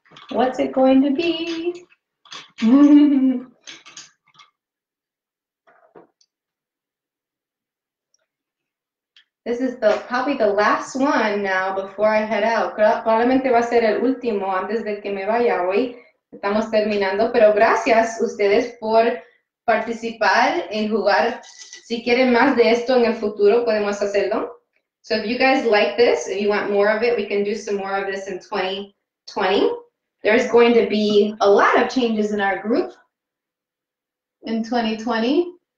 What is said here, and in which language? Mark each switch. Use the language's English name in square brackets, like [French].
[English] What's it going to be? This is probably the last one now before I head out. [Spanish] Probablemente va a ser el último antes de que me vaya hoy. Estamos terminando, pero gracias ustedes por participar en jugar. Si quieren más de esto en el futuro, podemos hacerlo. [English] So if you guys like this, if you want more of it, we can do some more of this in 2020. There's going to be a lot of changes in our group in 2020.